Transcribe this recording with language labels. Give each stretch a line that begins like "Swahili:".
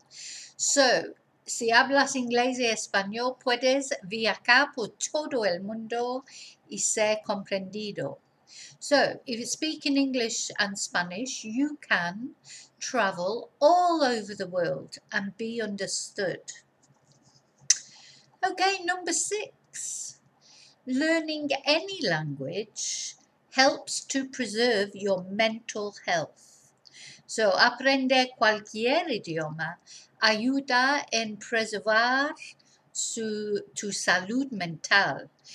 Spanish: So, si hablas inglés y español, puedes viajar por todo el mundo y ser comprendido.
English: So, if you speak in English and Spanish, you can travel all over the world and be understood. Okay, number six. Learning any language helps to preserve your mental health.
Spanish: So, aprender cualquier idioma ayuda en preservar tu salud mental.